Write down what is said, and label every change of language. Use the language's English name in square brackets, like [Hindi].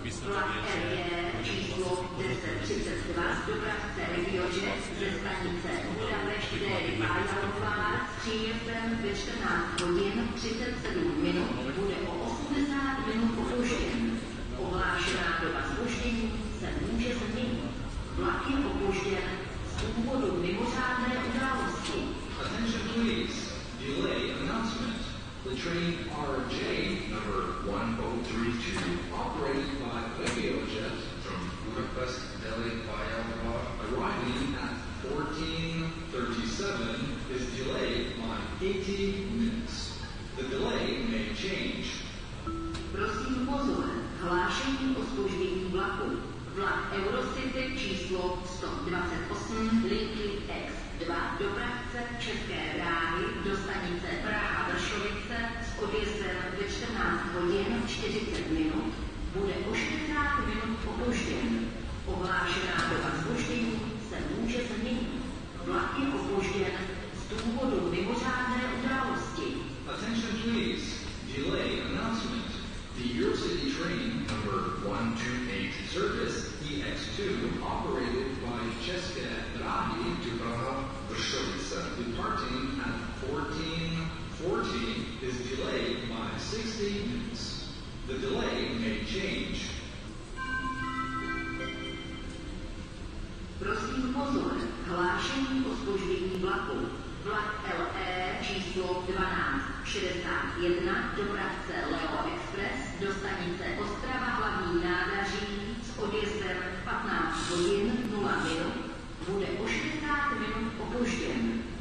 [Czech] Vlak RG číslo 1032 z dopravce Regiojet ze stanice Budapešť Dejvájalopár s příjezdem ve 14 hodin 37 minut bude o 80 minut opožděn. Ohlášená doba zpoždění se může změnit. Vlak je opožděn z důvodu mimořádné události. [English] Attention please. Delay announcement. The train RJ number 1032 operated by Regiojet from Budapest Delhi via Prague arriving at 14:37 is delayed by 80 minutes. The delay may change. [Czech] Prosím pozor, hlášení o zpoždění vlaku. Vlak Eurocity číslo 128 linky X2 do Pravce České dráhy do stanice Praha Vršovice s odjezdem ve 14 hodin 40 minut bude o 60 minut opožděn. Ohlášená doba zpoždění se může změnit. Vlak je opožděn z důvodu mimořádné události. [English] Attention please. Delay announcement. The Eurocity train number 128 service EX2 operated by České dráhy to Praha Vršovice departing at 14:40 is delayed by 60 minutes. The delay may change. [Czech] Pozor, hlášení o zpoždění vlaku. Vlak LE číslo 1261 dopravce Leo Express do stanice Ostrava hlavní nádraží s odjezdem 15:00 bude o 60 minut opožděn.